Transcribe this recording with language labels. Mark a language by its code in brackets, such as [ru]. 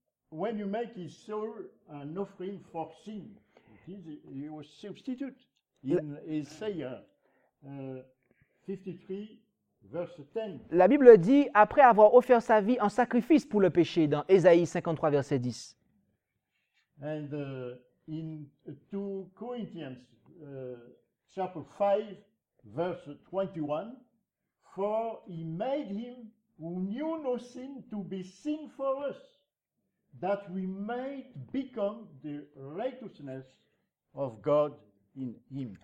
[en] When you make his soul an offering for sin, your substitute in Isaiah 53. Verse 10. [fr] La Bible dit, après avoir offert sa vie en sacrifice pour le péché, dans Ésaïe 53, verset 10. [en] And in 2 Corinthians chapter 5, verse 21, for he made him who knew no sin to be sin for us, that we might become the righteousness of God in him.